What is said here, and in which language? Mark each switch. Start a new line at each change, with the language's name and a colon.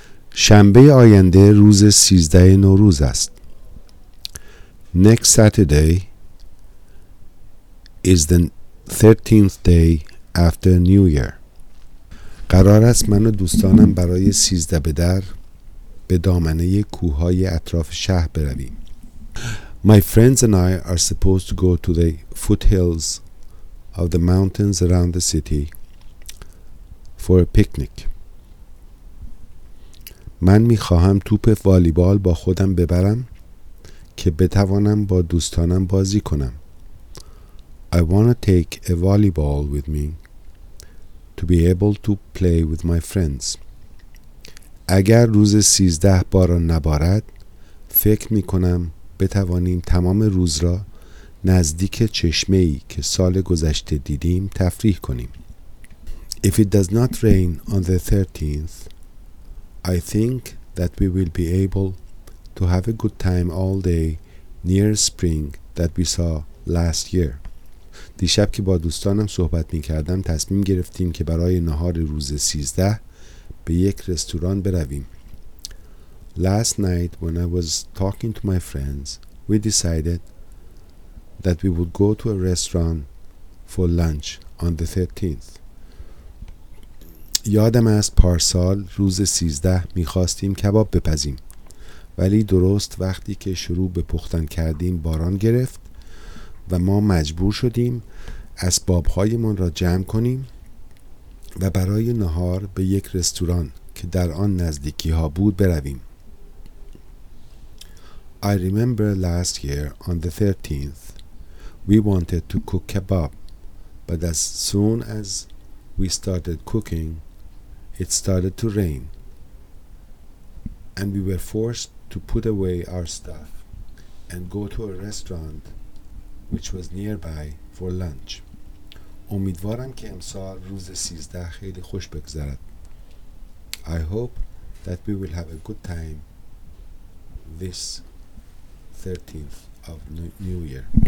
Persian: شنبه آینده روز 13 نوروز است.
English: Next Saturday is the 13th day after New Year.
Persian: قرار است من و دوستانم برای 13 به در به دامنه کوههای اطراف شهر برویم.
English: My friends and I are supposed to go to the foothills of the mountains around the city for a picnic.
Persian: من می خواهم توپ والیبال با خودم ببرم که بتوانم با دوستانم بازی کنم.
English: I want to take a volleyball with me to be able to play with my friends.
Persian: اگر روز 13 باران نبارد فکر می کنم بتوانیم تمام روز را نزدیک چشمه‌ای که سال گذشته دیدیم تفریح کنیم.
English: If it does not rain on the 13th, I think that we will be able to have a good time all day near spring that we saw last year.
Persian: دیشب که با دوستانم صحبت می‌کردم تصمیم گرفتیم که برای نهار روز 13 به یک رستوران برویم.
English: Last night when I was talking to my friends, we decided that we would go to a restaurant for lunch on the 13th.
Persian: یادم است پارسال روز 13 می‌خواستیم کباب بپزیم. ولی درست وقتی که شروع به پختن کردیم باران گرفت و ما مجبور شدیم اسباب‌هایمان را جمع کنیم و برای نهار به یک رستوران که در آن نزدیکی‌ها بود برویم.
English: I remember last year on the 13th. We wanted to cook kebab, but as soon as we started cooking, it started to rain, and we were forced to put away our stuff and go to a restaurant which was nearby for lunch.
Persian: امیدوارم که امسال روز 13 خیلی خوش بگذرد.
English: I hope that we will have a good time this 13th of New Year.